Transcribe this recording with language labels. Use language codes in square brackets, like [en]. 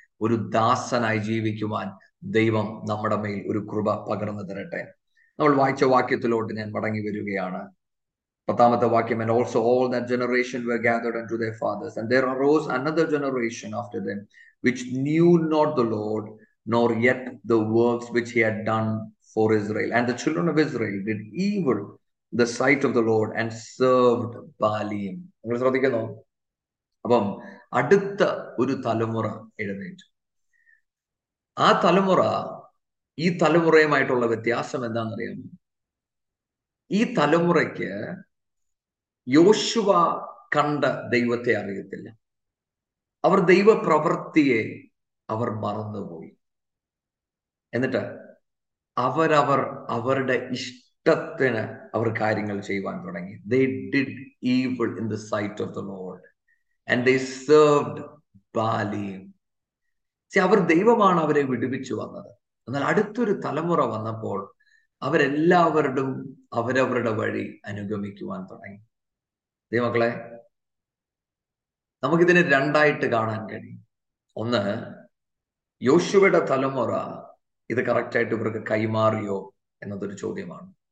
[ml] ഒരു ദാസനായി ജീവിക്കുവാൻ ദൈവം നമ്മുടെ മേൽ ഒരു കൃപ പകർന്നു തരട്ടെ. നമ്മൾ വായിച്ച വാക്യത്തിലോട്ട് ഞാൻ മടങ്ങി വരികയാണ്. പത്താമത്തെ വാക്യം, [en] And also all that generation were gathered unto their fathers and there arose another generation after them which knew not the Lord nor yet the works which he had done for Israel. And the children of Israel did evil in the sight of the Lord and served Baalim. [ml] നിങ്ങൾ ശ്രദ്ധിക്കുന്നു? അപ്പം അടുത്ത ഒരു തലമുറ എഴുന്നേറ്റു. ആ തലമുറ, ഈ തലമുറയുമായിട്ടുള്ള വ്യത്യാസം എന്താണെന്നറിയാമോ? ഈ തലമുറയ്ക്ക് യോശുവ കണ്ട ദൈവത്തെ അറിയത്തില്ല. അവർ ദൈവപ്രവൃത്തിയെ അവർ മറന്നുപോയി. എന്നിട്ട് അവരവർ അവരുടെ ഇഷ്ടത്തിന് അവർ കാര്യങ്ങൾ ചെയ്യുവാൻ തുടങ്ങി. [en] They did evil in the sight of the Lord and they served Baalim. [ml] See, അവർ ദൈവമാണ് അവരെ വിടുവിച്ചു വന്നത്. എന്നാൽ അടുത്തൊരു തലമുറ വന്നപ്പോൾ അവരെല്ലാവരുടും അവരവരുടെ വഴി അനുഗമിക്കുവാൻ തുടങ്ങി. ദൈവമക്കളെ, നമുക്കിതിനെ രണ്ടായിട്ട് കാണാൻ കഴിയും. ഒന്ന്, യോശുവയുടെ തലമുറ ഇത് കറക്റ്റായിട്ട് ഇവർക്ക് കൈമാറിയോ എന്നതൊരു ചോദ്യമാണ്.